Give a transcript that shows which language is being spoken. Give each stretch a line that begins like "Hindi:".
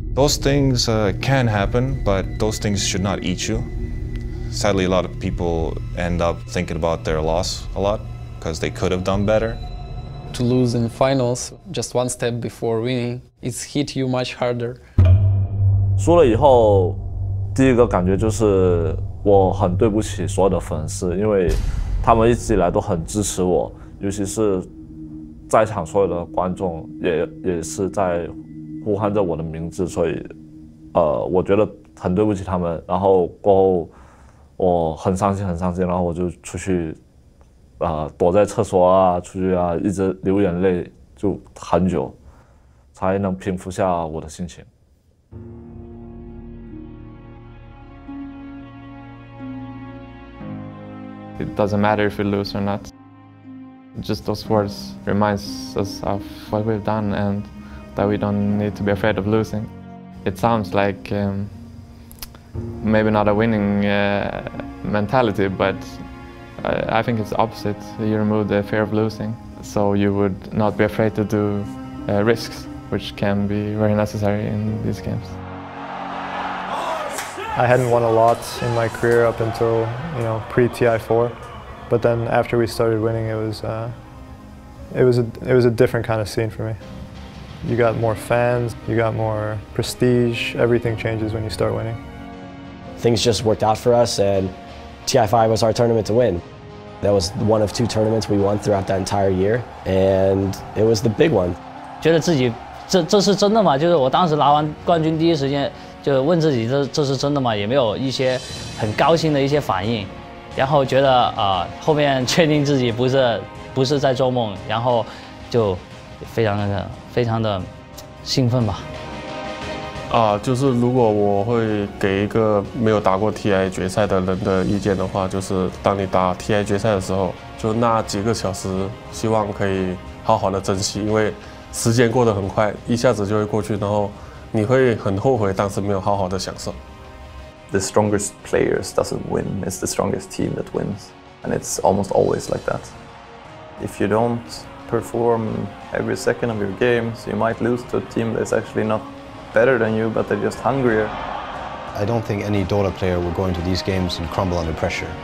English: Those things can happen, but those things should not eat you. Sadly, a lot of people end up thinking about their loss a lot because they could have done better. To lose in finals, just one step before winning, it's hit you much harder.
Chinese: 输了以后，第一个感觉就是我很对不起所有的粉丝，因为他们一直以来都很支持我，尤其是在场所有的观众也是在呼喊着我的名字，所以我觉得很对不起他们。然后过后，我很伤心，很伤心，然后我就出去。躲在厕所啊，出去啊，一直流眼泪，就很久，才能平复下我的心情。
English: It doesn't matter if we lose or not. Just those words remind us of what we've done and that we don't need to be afraid of losing. It sounds like maybe not a winning mentality, but I think it's the opposite. You remove the fear of losing, so you would not be afraid to do risks, which can be very necessary in these games. I hadn't won a lot in my career up until, you know, pre-TI4, but then after we started winning, it was a different kind of scene for me. You got more fans, you got more prestige. Everything changes when you start winning. Things just worked out for us, and TI5 was our tournament to win. That was one of two tournaments we won throughout that entire year, and it was the big one.
Chinese: 觉得自己这是真的吗？就是我当时拿完冠军第一时间就问自己这是真的吗？也没有一些很高兴的一些反应，然后觉得后面确定自己不是在做梦，然后就非常的兴奋吧。就是如果我会给一个没有打过 TI 决赛的人的意见的话，就是当你打 TI 决赛的时候，就那几个小时希望可以好好的珍惜，因为时间过得很快，一下子就会过去，然后你会很后悔当时没有好好的享受。
English: The strongest players doesn't win, it's the strongest team that wins, and it's almost always like that. If you don't perform every second of your games, you might lose to a team that's actually not better than you, but they're just hungrier. I don't think any Dota player will go into these games and crumble under pressure.